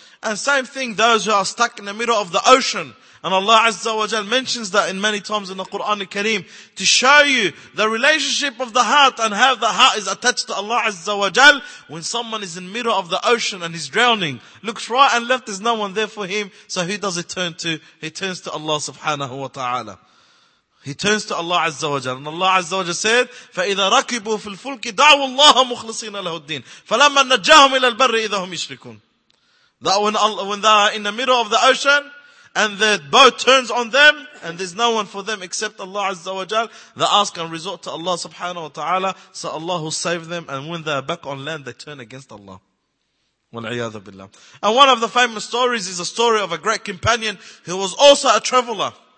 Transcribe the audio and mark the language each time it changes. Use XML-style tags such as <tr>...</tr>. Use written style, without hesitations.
<en>And same thing, those who are stuck in the middle of the ocean. And Allah azza wa jalla mentions that in many times in the Quran al-Kareem to show you the relationship of the heart and how the heart is attached to Allah azza wa jalla. When someone is in the middle of the ocean and he's drowning, looks right and left, there's no one there for him. So who does he turn to? He turns to Allah subhanahu wa ta'ala. He turns to Allah Azza wa Jalla. And Allah Azza wa Jalla said,</en> <ar>فَإِذَا رَكِبُوا فِي الْفُلْكِ دَعْوُوا اللَّهَ مُخْلِصِينَ لَهُ الدِّينَ فَلَمَّا نَجَّاهُمْ إِلَى الْبَرِّ إِذَا هُمْ يُشْرِكُونَ.</ar> <en>That when they are in the middle of the ocean, and the boat turns on them, and there's no one for them except Allah Azza wa Jalla, they ask and resort to Allah subhanahu wa ta'ala, so Allah will save them, and when they are back on land, they turn against Allah.</en> <ar>وَالْعِيَاذَ بِاللَّهِ.</ar> <en>And one of the famous stories is a story of a great companion who was also a traveler.</en>